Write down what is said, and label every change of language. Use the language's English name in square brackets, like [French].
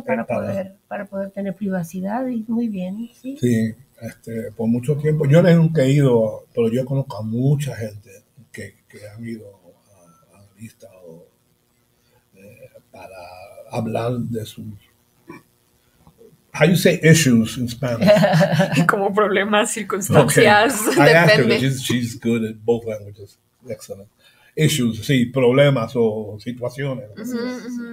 [Spanish] Espectacular. para poder tener privacidad y muy bien, ¿sí? Sí. Por mucho tiempo, yo nunca he ido, pero yo conozco a mucha gente que han ido a vista para hablar de sus. [English] How you say issues in Spanish? [Spanish] Como problemas, [English] Okay, [Spanish] circunstancias, [English] I asked her, [Spanish] depende. [English] she's good at both languages. Excellent. [Spanish] Issues, sí, problemas o situaciones, como se dice.